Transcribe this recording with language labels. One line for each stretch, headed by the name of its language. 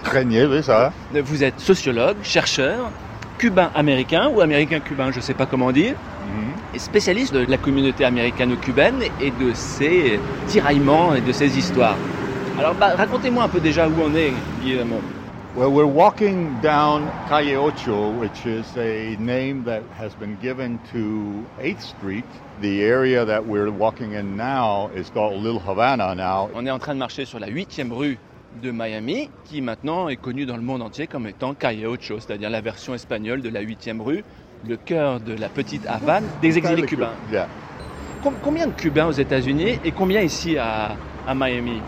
French: Grenier, oui, ça va. Vous êtes sociologue, chercheur, cubain-américain ou américain-cubain, je ne sais pas comment dire, et spécialiste de la communauté américano-cubaine et de ses tiraillements et de ses histoires. Alors, racontez-moi un peu déjà où on est, Guillermo.
English: Well, we're walking down Calle Ocho, which is a name that has been given to 8th Street. The area that we're walking in now is called Little Havana now.
French: On est en train de marcher sur la 8e rue de Miami, qui maintenant est connue dans le monde entier comme étant Calle Ocho, c'est-à-dire la version espagnole de la 8e rue, le cœur de la petite Havane des exilés cubains.
English: Yeah.
French: Combien de Cubains aux États-Unis et combien ici à Miami?